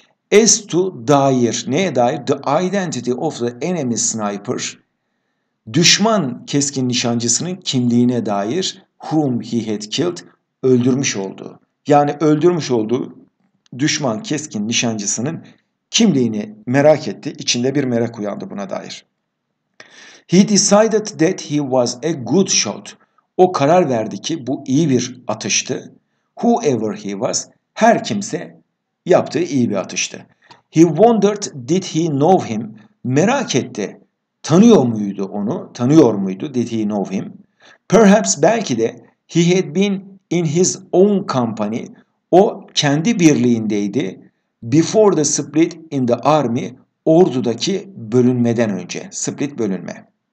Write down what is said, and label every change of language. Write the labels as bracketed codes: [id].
[en] As to dair, neye dair? The identity of the enemy sniper, [tr] düşman keskin nişancısının kimliğine dair, [en] whom he had killed, [tr] öldürmüş oldu. Yani öldürmüş olduğu düşman keskin nişancısının kimliğini merak etti. İçinde bir merak uyandı buna dair. [en] He decided that he was a good shot. [tr] O karar verdi ki bu iyi bir atıştı. [en] Whoever he was, [tr] her kimse yaptığı iyi bir atıştı. [en] He wondered did he know him. [tr] Merak etti. Tanıyor muydu onu? Tanıyor muydu? [en] Did he know him? Perhaps [tr] belki de [en] he had been in his own company, [tr] o kendi birliğindeydi, [en] before the split in the army, [tr] ordudaki bölünmeden önce, [en] split [tr] bölünme.